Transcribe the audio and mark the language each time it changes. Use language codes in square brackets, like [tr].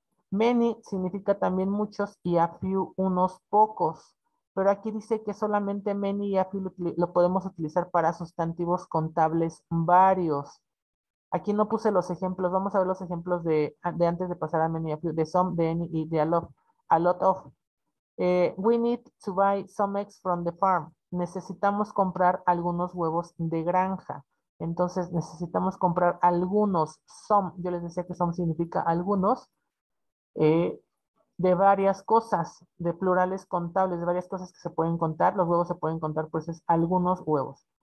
[es] Many significa también muchos y a few unos pocos. Pero aquí dice que solamente many y a few lo podemos utilizar para sustantivos contables varios. Aquí no puse los ejemplos. Vamos a ver los ejemplos de antes de pasar a many y a few. De some, de any y de a lot of. [en] We need to buy some eggs from the farm. [es] Necesitamos comprar algunos huevos de granja. Entonces necesitamos comprar algunos, some, yo les decía que some significa algunos, de varias cosas, de plurales contables, de varias cosas que se pueden contar, los huevos se pueden contar, pues es algunos huevos.